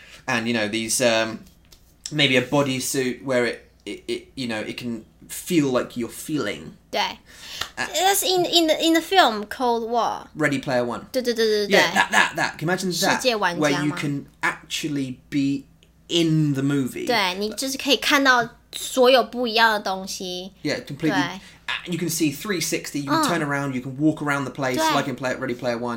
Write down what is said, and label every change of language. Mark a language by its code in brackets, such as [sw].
[en] And, you know, these, maybe a bodysuit where it, you know, it can feel like you're feeling. [zh] 对. [en] That's in the film called what? Ready Player One. [zh] 对。 [en] Yeah, that. Can you imagine that? [zh] 世界玩家吗? [en] Where you can actually be in the movie. [zh] 对, 你就是可以看到所有不一样的东西。 [en] Yeah, completely. [zh] 对。 [en] You can see 360, you can turn around, you can walk around the place, like in Ready Player One.